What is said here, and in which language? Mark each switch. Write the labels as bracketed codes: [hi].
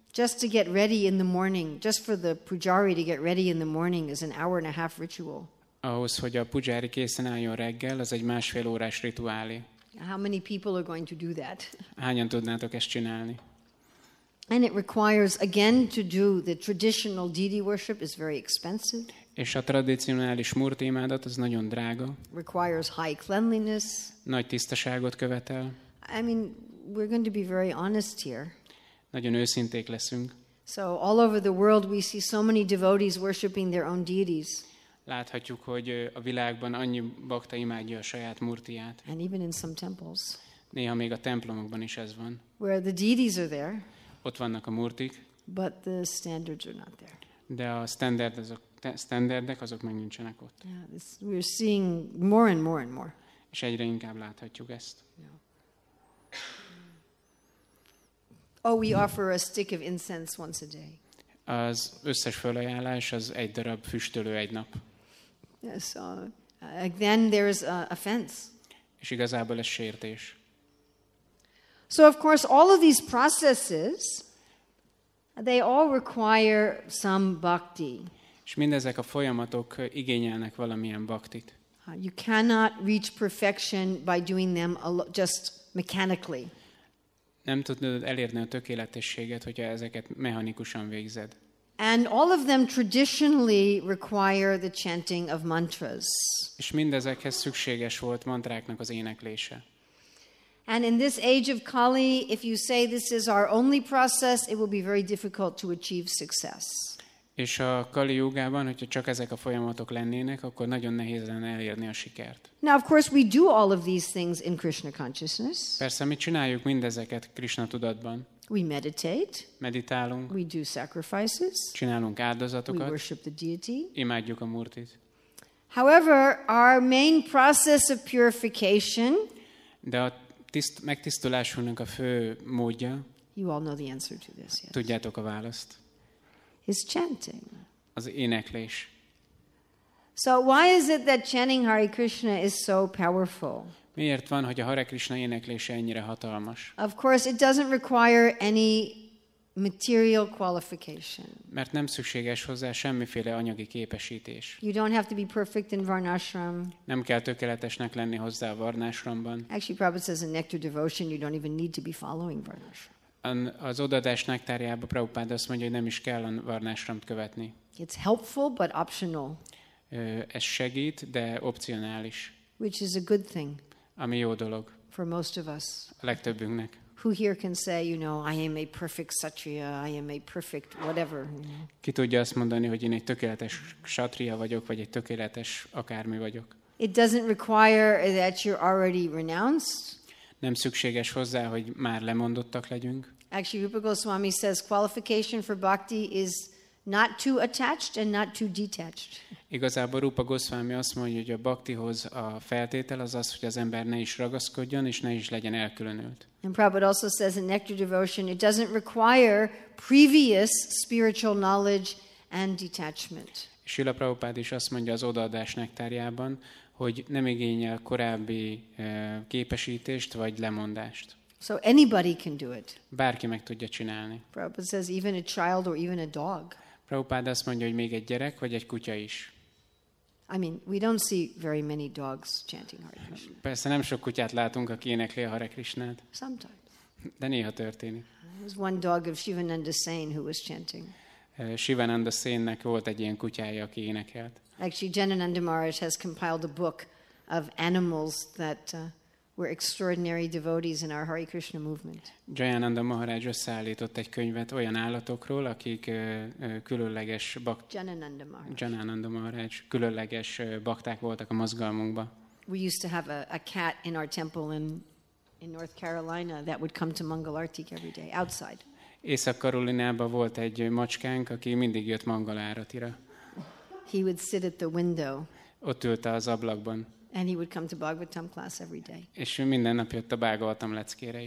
[en] Just to get ready in the morning, just for the pujari to get ready in the morning is an hour and a half ritual. [hu] Ahhoz, hogy a pujári készen álljon reggel, az egy másfél órás rituálé. [en] How many people are going to do that? [hu] Hányan tudnátok ezt csinálni? [en] And it requires again to do the traditional deity worship is very expensive. [hu] És a tradicionális murti imádat az nagyon drága. [en] Requires high cleanliness. [hu] Nagy tisztaságot követel. [en] I mean, we're going to be very honest here. [hu] Nagyon őszinték leszünk. [en] So all over the world we see so many devotees worshiping their own deities. [hu] Láthatjuk, hogy a világban annyi bakta imádja a saját murtiját. [en] And even in some temples. [hu] Néha még a templomokban is ez van. [en] Where the deities are there. [hu] Ott vannak a murtik. [en] But the standards are not there. [hu] De a standardek azok meg nincsenek ott. [en] Yeah, this, we're seeing more and more and more. [hu] És egyre inkább láthatjuk ezt. [en] Yeah. Oh, we offer a stick of incense once a day. [hu] Az összes felajánlás az egy darab füstölő egy nap. [en] Yes, then there is a fence. [hu] És igazából ez sértés. [en] So of course all of these processes they all require some bhakti. [hu] És mindezek a folyamatok igényelnek valamilyen baktit. [en] You cannot reach perfection by doing them just mechanically. [hu] Nem tudod elérni a tökéletességet, hogyha ezeket mechanikusan végzed. [en] And all of them traditionally require the chanting of mantras. [hu] És mindezekhez szükséges volt mantráknak az éneklése. [en] And in this age of Kali, if you say this is our only process, it will be very difficult to achieve success. [hu] És a Kali Yugában, hogyha csak ezek a folyamatok lennének, akkor nagyon nehéz lenne elérni a sikert. [en] Now, of course, we do all of these things in Krishna consciousness. [hu] Persze, mi csináljuk mindezeket Krishna tudatban. [en] We meditate. [hu] Meditálunk. [en] We do sacrifices. [hu] Csinálunk áldozatokat. [en] We worship the deity. [hu] Imádjuk a murtit. [en] However, our main process of purification. [hu] De a megtisztulásunknak a fő módja. [en] You all know the answer to this, yes. [hu] Tudjátok a választ. [en] Is chanting. [hu] Az éneklés. [en] So why is it that chanting Hare Krishna is so powerful? [hu] Miért van, hogy a Hare Krishna éneklése ennyire hatalmas? [en] Of course, it doesn't require any material qualification. [hu] Mert nem szükséges hozzá semmiféle anyagi képesítés. [en] You don't have to be perfect in varnashram. [hu] Nem kell tökéletesnek lenni hozzá a varnashramban. [en] Actually, Prabhupada says in nectar devotion, you don't even need to be following varnashram. [hu] Az odaadás nektárjába Prabhupád azt mondja, hogy nem is kell a varnásramt követni. [en] It's helpful, but optional. [hu] Ez segít, de opcionális. [en] Which is a good thing. [hu] Ami jó dolog. [en] For most of us. [hu] A legtöbbünknek. [en] Who here can say, you know, I am a perfect satriya, I am a perfect whatever. [hu] Ki tudja azt mondani, hogy én egy tökéletes satriya vagyok, vagy egy tökéletes akármi vagyok. [en] It doesn't require that you're already renounced. [hu] Nem szükséges hozzá, hogy már lemondottak legyünk. [en] Actually, Rupa Goswami says qualification for bhakti is not too attached and not too detached. [hu] Igazából Rupa Goswami azt mondja, hogy a bhaktihoz a feltétel az az, hogy az ember ne is ragaszkodjon és ne is legyen elkülönült. [en] And Prabhupada also says in nectar devotion it doesn't require previous spiritual knowledge and detachment. [hu] Srila Prabhupada is azt mondja az odaadás nektárjában, hogy nem igényel korábbi képesítést vagy lemondást. [en] So anybody can do it. [hu] Bárki meg tudja csinálni. [en] Prabhupada says even a child or even a dog. [hu] Prabhupada azt mondja, hogy még egy gyerek vagy egy kutya is. [en] I mean, we don't see very many dogs chanting Hare Krishna. [hu] Persze nem sok kutyát látunk, aki énekli a Hare Krishnát. [en] Sometimes. [hu] De néha történik. [en] There's one dog of Shivananda Sen who was chanting. [hu] Shivananda Sennek volt egy ilyen kutyája, aki énekelt. [en] Actually, Jenananda Maharaj has compiled a book of animals that were extraordinary devotees in our Hare Krishna movement. [hu] Jenananda Maharaj összeállított egy könyvet olyan állatokról, akik különleges bakták. Jenananda Maharaj különleges bakták voltak a mozgalmunkba. [en] We used to have a cat in our temple in North Carolina that would come to Mangalartik every day outside. [hu] Észak-Karolinában volt egy macskánk, aki mindig jött Mangalaratira. [en] He would sit at the window. [hu] Ott ült az ablakban. [en] And he would come to Bhagavatam class every day. [hu] És ő minden nap jött a Bhagavatam leckére is.